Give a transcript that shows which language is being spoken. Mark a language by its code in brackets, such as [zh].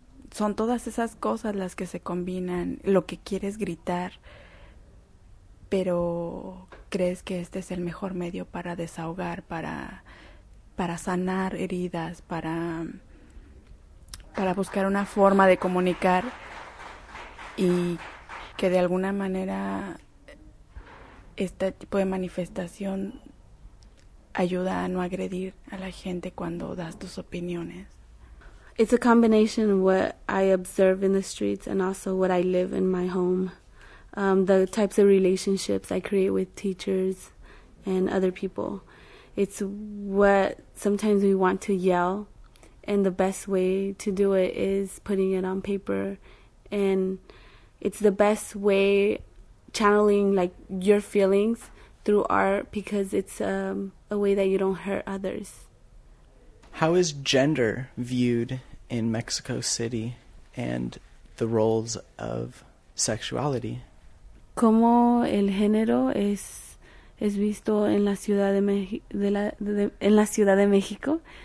[es] Son todas esas cosas las que se combinan, lo que quieres gritar, pero crees que este es el mejor medio para desahogar, para sanar heridas, para buscar una forma de comunicar y que de alguna manera este tipo de manifestación ayuda a no agredir a la gente cuando das tus opiniones. [en] It's a combination of what I observe in the streets and also what I live in my home. The types of relationships I create with teachers and other people. It's what sometimes we want to yell, and the best way to do it is putting it on paper. And it's the best way channeling like your feelings through art, because it's a way that you don't hurt others. How is gender viewed in Mexico City and the roles of sexuality? [es] ¿Cómo el género es visto en la Ciudad de México?